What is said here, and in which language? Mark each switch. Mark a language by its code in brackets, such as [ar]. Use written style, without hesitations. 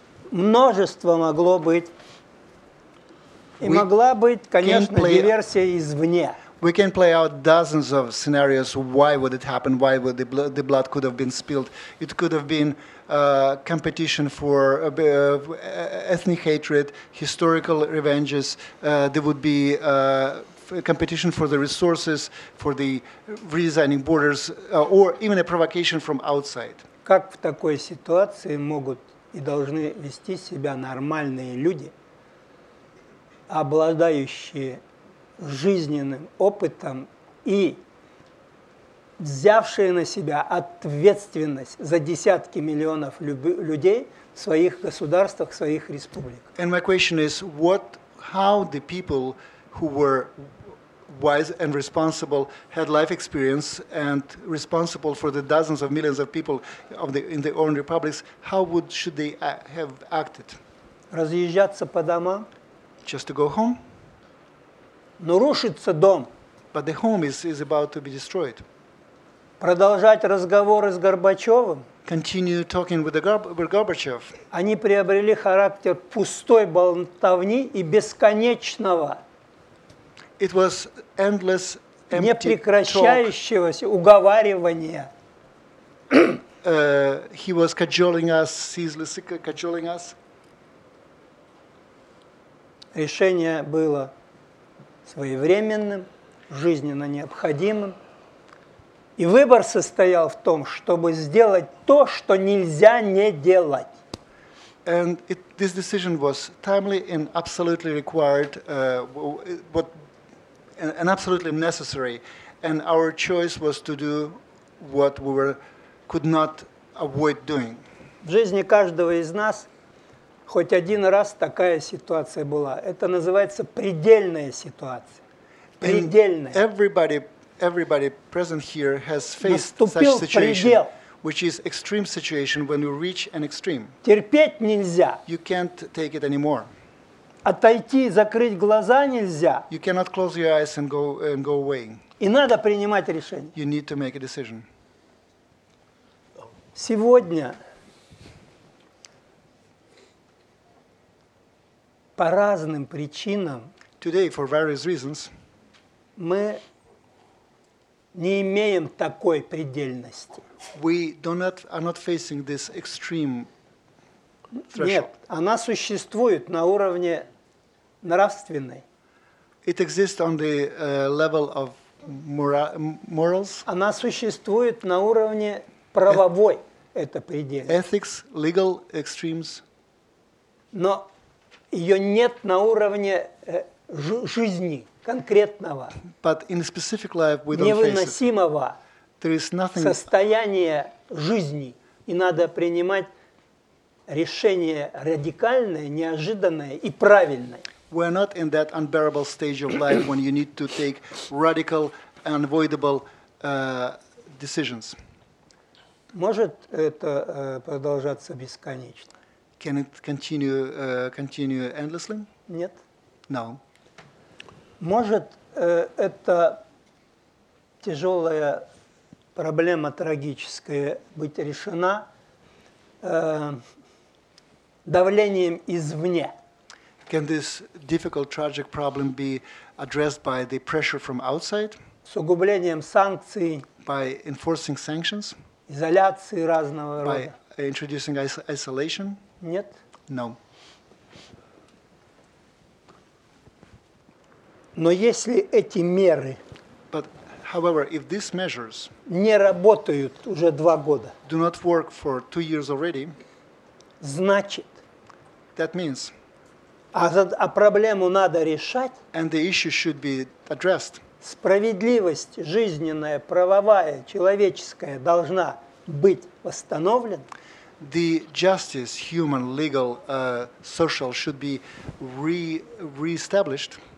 [ru] Множество могло быть. И могла быть, конечно, диверсия извне. [en] We can play out dozens of scenarios. Why would it happen? Why would the blood could have been spilled? It could have been competition for ethnic hatred, historical revenges. There would be competition for the resources, for the redesigning borders, or even a provocation from outside. [ru] Как в такой ситуации могут и должны вести себя нормальные люди, обладающие жизненным опытом и взявшие на себя ответственность за десятки миллионов людей в своих государствах, в своих республиках. [en] And my question is, what, how the people who were wise and responsible, had life experience and responsible for the dozens of millions of people of the, in their own republics, how would, should they have acted? [ru] Разъезжаться по домам? [en] Just to go home? [ru] Но рушится дом. [en] But the home is about to be destroyed. [ru] Продолжать разговоры с Горбачевым? [en] Continue talking with Gorbachev. [ru] Они приобрели характер пустой болтовни и бесконечного. [en] It was endless, empty talk. [ru] Непрекращающегося уговаривания. [en] He was cajoling us, ceaselessly cajoling us. [ru] Решение было своевременным, жизненно необходимым. И выбор состоял в том, чтобы сделать то, что нельзя не делать. [en] And it, this decision was timely and absolutely required, but, and absolutely necessary. And our choice was to do what we were, could not avoid doing. [ru] В жизни каждого из нас хоть один раз такая ситуация была. Это называется предельная ситуация. Предельная. [en] And everybody present here has faced such situation, which is extreme situation when you reach an extreme. [ru] Терпеть нельзя. [en] You can't take it anymore. [ru] Отойти, закрыть глаза нельзя. [en] You cannot close your eyes and go away. [ru] И надо принимать решение. [en] You need to make a decision. [ru] Сегодня по разным причинам [en] today, for various reasons, [ru] мы не имеем такой предельности. [en] We do not, are not facing this extreme threshold. [ru] Нет, она существует на уровне нравственной. [en] It exists on the level of morals. [ru] Она существует на уровне правовой, эта предельность. [en] Ethics, legal extremes. [ru] Но ее нет на уровне жизни конкретного, [en] but in specific life we don't [ru] невыносимого [en] face it. There is nothing [ru] состояния жизни. И надо принимать решение радикальное, неожиданное и правильное. [en] We are not in that unbearable stage of life when you need to take radical, unavoidable decisions. [ru] Может это продолжаться бесконечно? [en] Can it continue endlessly? [ru] Нет. [en] No. [ru] Может это тяжелая проблема трагическая быть решена давлением извне. [en] Can this difficult, tragic problem be addressed by the pressure from outside? [ru] С углублением санкций. [en] By enforcing sanctions? [ru] Изоляции разного рода. [en] By introducing isolation? [ru] Нет. [en] No. [ru] Но если эти меры [en] But, however, if these measures [ru] не работают уже два года, [en] do not work for 2 years already, [ru] значит, [en] that means [ru] а проблему надо решать, [en] and the issue should be addressed. [ru] Справедливость жизненная, правовая, человеческая должна быть восстановлена. [en] The justice, human, legal, social should be re-established.